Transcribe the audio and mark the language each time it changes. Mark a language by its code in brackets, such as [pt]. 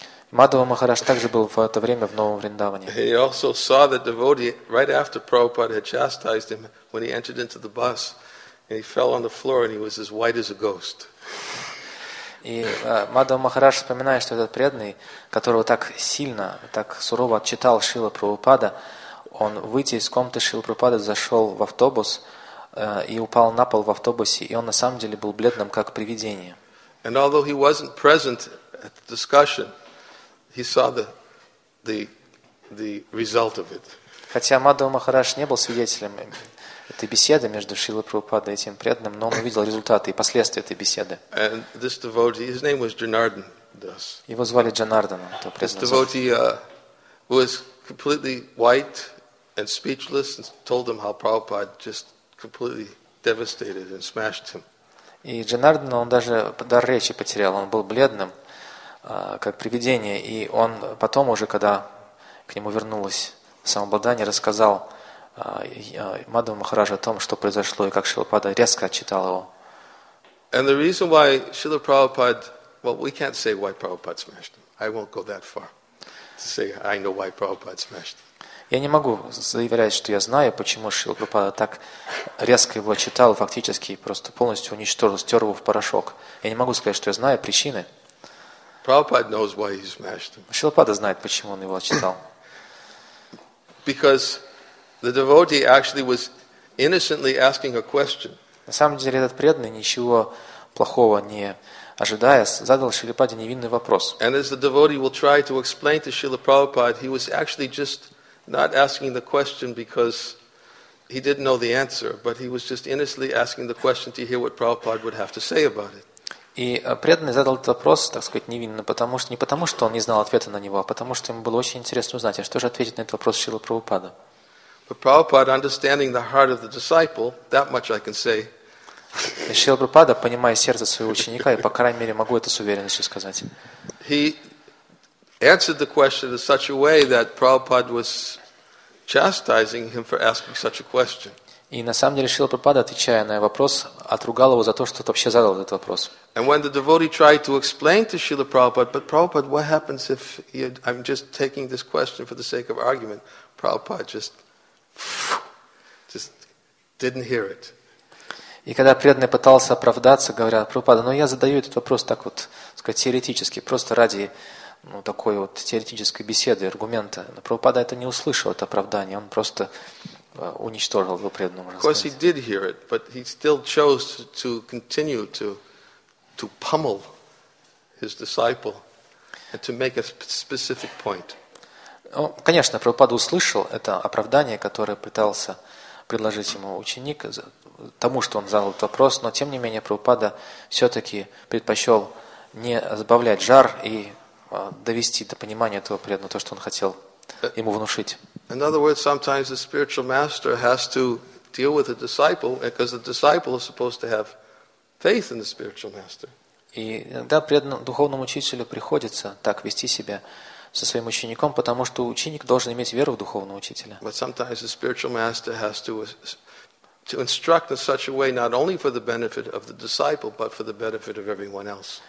[ru] Мадхава Махарадж также был в это время в Новом Вриндаване. [en] He also saw the devotee right after Prabhupada had chastised him when he entered into the bus. And he fell on the floor and he was as white as a ghost. [ru] И Мадхава Махарадж вспоминает, что этот преданный, которого так сильно, так сурово отчитал Шрила Прабхупада, он выйти из комнаты Шрила Прабхупада, зашел в автобус и упал на пол в автобусе, и он на самом деле был бледным, как привидение. [en] And although he wasn't present at the discussion, he saw the result of it. [ru] Хотя Мадхава Махарадж не был свидетелем этой беседы между Шрилой Прабхупадой и этим преданным, но он увидел результаты и последствия этой беседы. [en] And this devotee, his name was Janardhan Das. [ru] Его звали Джанарданом. [en] This devotee was completely white and speechless and told him how Prabhupada just completely devastated and smashed him. [ru] И Джанардана, он даже дар речи потерял, он был бледным, как привидение. И он потом уже, когда к нему вернулось самообладание, рассказал Мадхава Махараджа о том, что произошло, и как Шилапада резко отчитал его. [en] And the reason why Srila Prabhupada, well, we can't say why Prabhupada smashed him. I won't go that far to say I know why Prabhupada smashed him. [ru] Я не могу заявлять, что я знаю, почему Шрила Прабхупада так резко его отчитал, фактически просто полностью уничтожил, стер его в порошок. Я не могу сказать, что я знаю причины. [en] Prabhupada knows why he smashed him. [ru] Шрила Прабхупада знает, почему он его отчитал. [en] Because the devotee actually was innocently asking a question. [ru] На самом деле этот преданный, ничего плохого не ожидая, задал Шрила Прабхупаде невинный вопрос. [en] And as the devotee will try to explain to Srila Prabhupada, he was actually just not asking the question because he didn't know the answer, but he was just innocently asking the question to hear what Prabhupada would have to say about it. [ru] И преданный задал этот вопрос, так сказать, невинно, потому что, не потому что он не знал ответа на него, а потому что ему было очень интересно узнать, а что же ответит на этот вопрос Шрила Прабхупада. [en] But Prabhupada, understanding the heart of the disciple, that much I can say. [ru] Шрила Прабхупада, понимая сердце своего ученика, я, по крайней мере, могу это с уверенностью сказать. [en] He answered the question in such a way that Prabhupada was chastising him for asking such a question. [ru] И на самом деле Шрила Прабхупада, отвечая на вопрос, отругал его за то, что тот вообще задал этот вопрос. [en] And when the devotee tried to explain to Srila Prabhupada, but Prabhupada, what happens if I'm just taking this question for the sake of argument, Prabhupada just didn't hear it. [ru] И когда преданный пытался оправдаться, говоря, Прабхупада, ну я задаю этот вопрос так вот, сказать, теоретически, просто ради ну, такой вот теоретической беседы, аргумента. Но Прабхупада это не услышал, это оправдание. Он просто уничтожил его преданного. [en] Of course, he did hear it, but he still chose to continue to pummel his disciple and to make a specific point. [ru] Ну, конечно, Прабхупада услышал это оправдание, которое пытался предложить ему ученик тому, что он задал этот вопрос, но тем не менее Прабхупада все-таки предпочел не сбавлять жар и довести до понимания этого преданного, то, что он хотел ему внушить. [en] In other words, sometimes the spiritual master has to deal with the disciple, because the disciple is supposed to have faith in the spiritual master. [ru] И иногда преданному духовному учителю приходится так вести себя со своим учеником, потому что ученик должен иметь веру в духовного учителя. [en] But sometimes the spiritual master has to instruct in such a way not only for the benefit of the disciple, but for the benefit of everyone else.